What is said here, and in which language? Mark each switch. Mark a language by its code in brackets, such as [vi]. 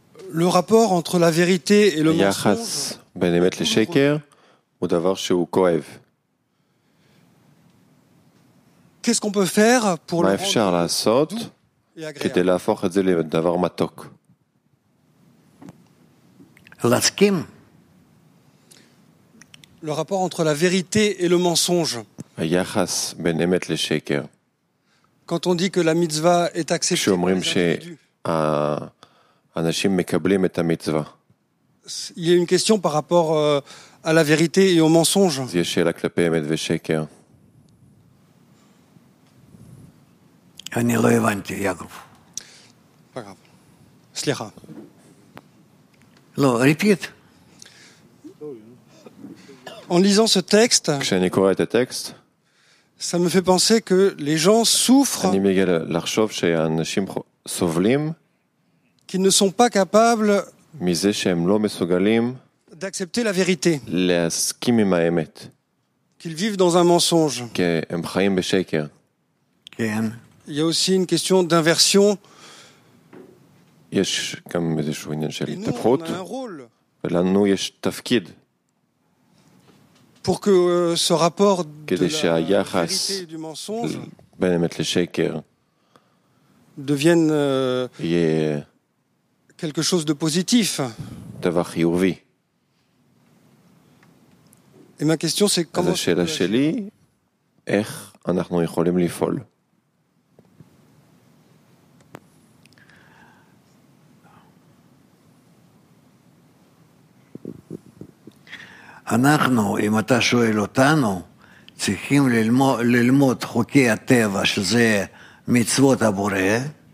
[fr] Le rapport entre la vérité et le mensonge. [he] היחס בין אמת לשקר הוא דבר שהוא כואב. [fr] Qu'est-ce qu'on peut faire pour [he] le אפשר לעשות כדי להפוך את זה לדבר מתוק? להסכים. [fr] Le rapport entre la vérité et le mensonge. [he] היחס בין אמת לשקר. [fr] Quand on dit que la mitzvah est acceptée par les [he] אנשים מקבלים את המצווה. [fr] Il y a une question par rapport à la vérité et au mensonge. [he] יש שאלה כלפי אמת ושקר. אני לא הבנתי, יעקב. סליחה. לא, repeat. [fr] En lisant ce texte. [he] כשאני קורא את הטקסט. [fr] Ça me fait penser que les gens souffrent. [he] אני מגיע לחשוב שאנשים סובלים. [fr] Qu'ils ne sont pas capables [he] מזה שהם לא מסוגלים [fr] d'accepter la vérité. [he] להסכים עם האמת. [fr] Qu'ils vivent dans un mensonge. [he] שהם חיים בשקר. כן. [fr] Il y a aussi une question d'inversion. [he] יש גם איזשהו עניין של התפחות. ולנו יש תפקיד. [fr] Pour que ce rapport de la vérité et du mensonge [he] בין אמת לשקר [fr] devienne [he] יהיה [fr] quelque chose de positif. [he] דבר חיובי. [fr] Et ma question c'est comment [he] אז השאלה שלי, איך אנחנו יכולים לפעול? אנחנו, אם אתה שואל אותנו, צריכים ללמוד חוקי הטבע שזה מצוות הבורא.